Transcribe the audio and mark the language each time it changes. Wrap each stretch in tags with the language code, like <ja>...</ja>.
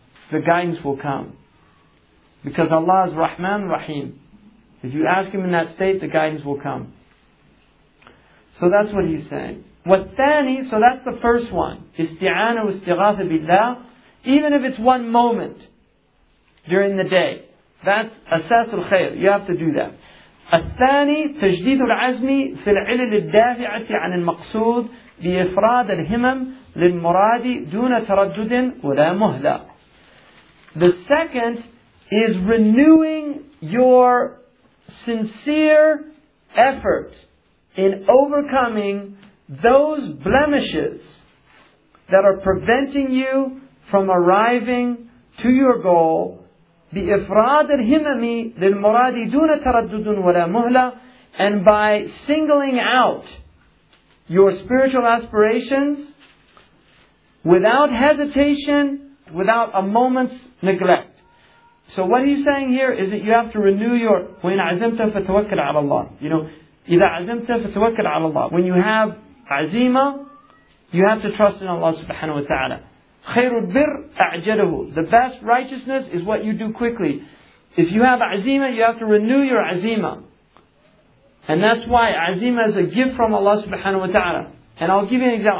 <en>The guidance will come. Because Allah is Rahman Rahim. If you ask Him in that state, the guidance will come. So that's what He's saying.</en> <ar>وَالثَّانِي,</ar> <en>so that's the first one.</en> <ar>إِسْتِعَانَ وَاسْتِغَاثَ بِاللَّهِ.</ar> <en>Even if it's one moment during the day. That's</en> <ar>أَسَاسُ الْخَيْرِ.</ar> <en>You have to do that.</en> <ar>الثاني تجديد العزم في العلل الدافعة عن المقصود بإفراد الهمم للمراد دون تردد ولا مهلة.</ar> <en>The second is renewing your sincere effort in overcoming those blemishes that are preventing you from arriving to your goal.</en> <ar>بإفراد الهمم للمراد دون تردد ولا مهلة.</ar> <en>And by singling out your spiritual aspirations without hesitation, without a moment's neglect. So what he's saying here is that you have to renew your when</en> <ar>عزمت فتوكل على الله.</ar> <en>You know,</en> <ar>إذا عزمت فتوكل على الله.</ar> <en>When you have عزيمة, you have to trust in Allah subhanahu wa ta'ala.</en> <ar>خير البر أعجله.</ar> <en>The best righteousness is what you do quickly. If you have عزيمة, you have to renew your عزيمة. And that's why عزيمة is a gift from Allah subhanahu wa ta'ala. And I'll give you an example.</en>